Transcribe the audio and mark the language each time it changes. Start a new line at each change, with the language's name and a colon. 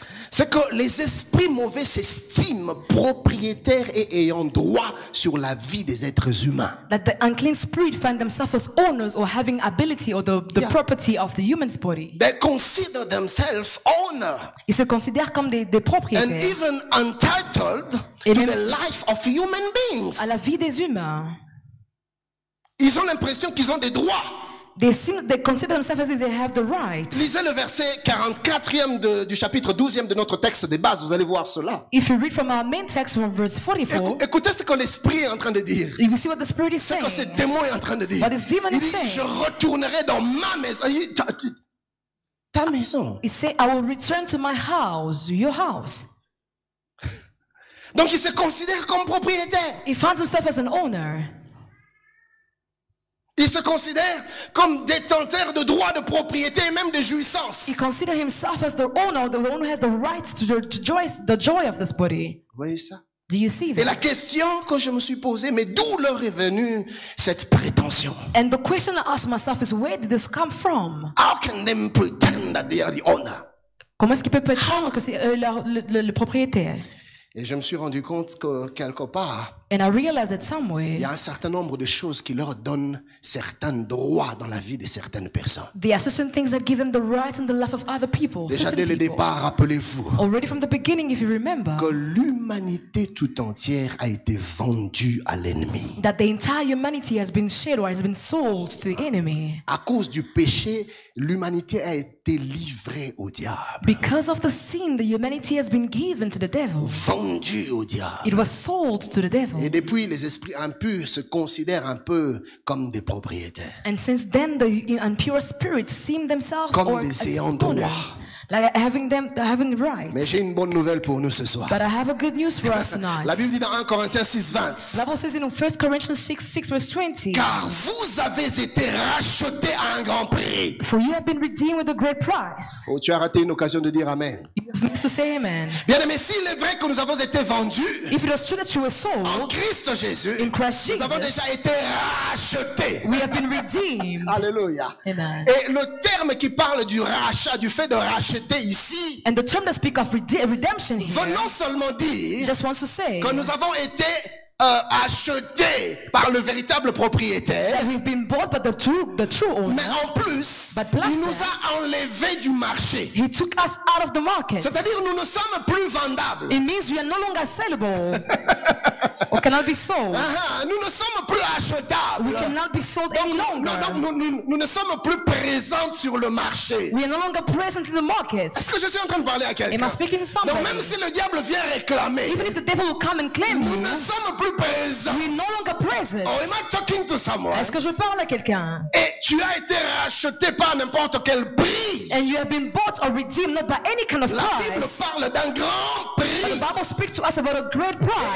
French: c'est que les esprits mauvais s'estiment propriétaires et ayant droit sur la vie des êtres humains.
English: That the unclean spirit find themselves as owners or having ability or the property of the human's body. They consider themselves owner.
French: Ils se considèrent comme des propriétaires.
English: And even entitled to the life of human beings.
French: À la vie des humains. Ils ont l'impression qu'ils ont des droits.
English: They consider themselves as if they have the right.
French: Lisez le verset 44e du chapitre 12e de notre texte de base, vous allez voir cela.
English: If you read from our main text from verse 44.
French: Écoutez ce que l'esprit est en train de dire.
English: If you see what the spirit is saying.
French: Ce que ce démon est en train de dire.
English: What this demon is saying.
French: Je retournerai dans ma maison. Ta maison.
English: He said, I will return to my house, your house.
French: Donc il se considère comme propriétaire.
English: He finds himself as an owner.
French: Il se considère comme détenteur de droits de propriété et même de jouissance.
English: He considers himself as the owner, the one who has the right to the joy of this body.
French: Voyez ça.
English: Do you see that?
French: Et la question que je me suis posée, mais d'où leur est venue cette prétention?
English: And the question I ask myself is, where did this come from? How can they pretend that they are the owner?
French: Comment est-ce qu'ils peuvent prétendre que c'est eux le propriétaire? Et je me suis rendu compte que quelque part,
English: and I realized that somewhere,
French: il y a un certain nombre de choses qui leur donnent certains droits dans la vie de certaines personnes.
English: There are certain things that give them the rights in the life of other people.
French: Déjà dès le départ, rappelez-vous,
English: already from the beginning, if you remember,
French: que l'humanité tout entière a été vendue à l'ennemi.
English: That the entire humanity has been shared or has been sold to the enemy.
French: À cause du péché, l'humanité a été livrée au diable.
English: Because of the sin, the humanity has been given to the devil.
French: Vendue au diable.
English: It was sold to the devil.
French: Et depuis, les esprits impurs se considèrent un peu comme des propriétaires.
English: And since then, the impure spirits seem themselves
French: comme des ayants droit.
English: Like having rights.
French: Mais j'ai une bonne nouvelle pour nous ce soir.
English: But I have a good news for us tonight.
French: La Bible dit dans 1 Corinthiens 6, 20.
English: The Bible says in 1 Corinthians 6, verse 20.
French: Car vous avez été rachetés à un grand prix.
English: For you have been redeemed with a great price.
French: Oh, tu as raté une occasion de dire amen.
English: To say amen.
French: Bien aimé, s'il est vrai que nous avons été vendus,
English: if it is true that you were sold,
French: en Christ Jésus,
English: in Christ Jesus,
French: nous avons déjà été rachetés.
English: We have been redeemed.
French: Alléluia.
English: Amen.
French: Et le terme qui parle du rachat, du fait de racheter ici,
English: and the term that speak of redemption here,
French: veut non seulement dire,
English: just wants to say,
French: que nous avons été acheté par le véritable propriétaire.
English: That we've been bought by the true owner.
French: Mais en plus, il nous a enlevé du marché.
English: He took us out of the market.
French: C'est-à-dire, nous ne sommes plus vendables.
English: It means we are no longer sellable. We cannot be sold.
French: Nous ne sommes plus achetables.
English: We cannot be sold
French: donc,
English: any longer.
French: Nous ne sommes plus présents sur le marché.
English: We are no longer present in the market.
French: Est-ce que je suis en train de parler à quelqu'un?
English: Am I speaking to somebody?
French: Donc même si le diable vient réclamer,
English: even if the devil will come and claim,
French: nous ne sommes plus présents.
English: We are no longer present. Oh, am I talking to someone?
French: Est-ce que je parle à quelqu'un? Et tu as été racheté par n'importe quel prix.
English: And you have been bought or redeemed not by any kind of
French: la
English: price.
French: La Bible parle d'un grand prix.
English: But the Bible speaks to us about a great price.